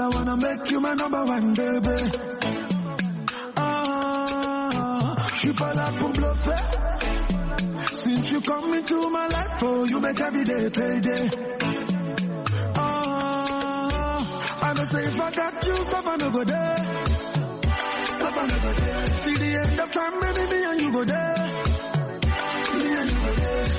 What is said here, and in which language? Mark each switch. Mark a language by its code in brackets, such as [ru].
[en] I wanna make you my number one, baby. [fr] Ah, je suis pas là pour bluffer. [en] Since you come into my life, oh, you make every day payday. Ah, I don't say if I got you, suffer no go there. Suffer no go there. Till the end of time, baby, me and you go there. Me and you go there.